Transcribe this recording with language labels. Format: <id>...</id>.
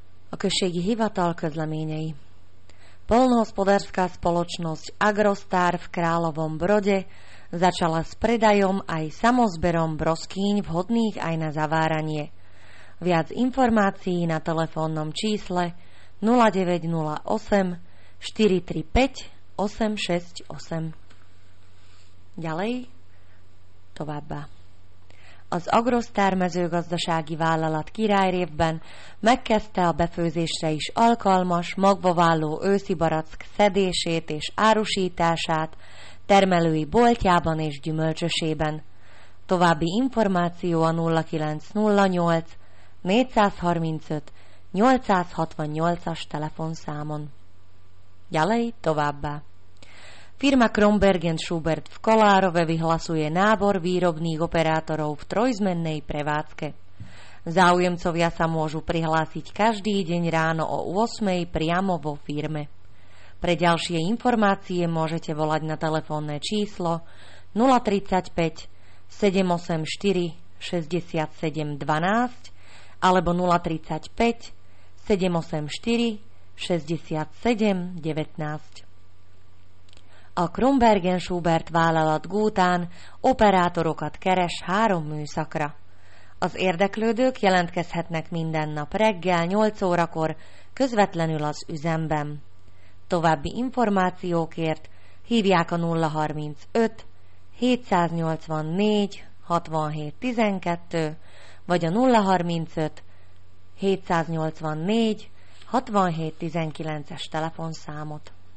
<hu>Okresík Hivatal Közleményei.</hu> <sk>Poľnohospodárska spoločnosť Agrostar v Kráľovom Brode začala s predajom aj samozberom broskýň vhodných aj na zaváranie. Viac informácií na telefónnom čísle 0908 435 868. Ďalej továbba.</sk> <hu>Az Agrostar mezőgazdasági vállalat királyrévben megkezdte a befőzésre is alkalmas, magva válló őszi barack szedését és árusítását termelői boltjában és gyümölcsösében. További információ a 0908 435 868-as telefonszámon.</hu> <sk>Ďalej továbbá. Firma Krombergen Schubert v Kolárove vyhlasuje nábor výrobných operátorov v trojzmennej prevádzke. Záujemcovia sa môžu prihlásiť každý deň ráno o 8.00 priamo vo firme. Pre ďalšie informácie môžete volať na telefónne číslo 035 784 67 12 alebo 035 784 67 19.</sk> <hu>A Krombergen Schubert vállalat Gútán operátorokat keres három műszakra. Az érdeklődők jelentkezhetnek minden nap reggel 8 órakor közvetlenül az üzemben. További információkért hívják a 035 784 67 12 vagy a 035 784 67 19-es telefonszámot.</hu>